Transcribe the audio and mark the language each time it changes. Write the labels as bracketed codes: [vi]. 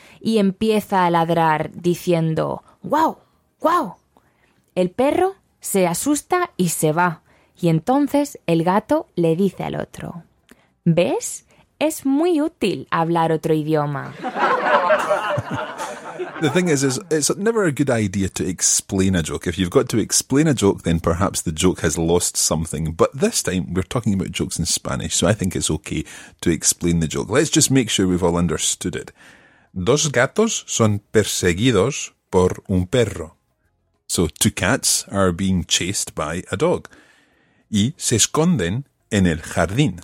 [es] y empieza a ladrar diciendo ¡guau! ¡Guau! El perro se asusta y se va. Y entonces el gato le dice al otro ¿ves? Es muy útil hablar otro idioma. [en] The thing is, it's never a good idea to explain a joke. If you've got to explain a joke, then perhaps the joke has lost something. But this time, we're talking about jokes in Spanish, so I think it's okay to explain the joke. Let's just make sure we've all understood it. [es] Dos gatos son perseguidos por un perro. [en] So, two cats are being chased by a dog. [es] Y se esconden en el jardín.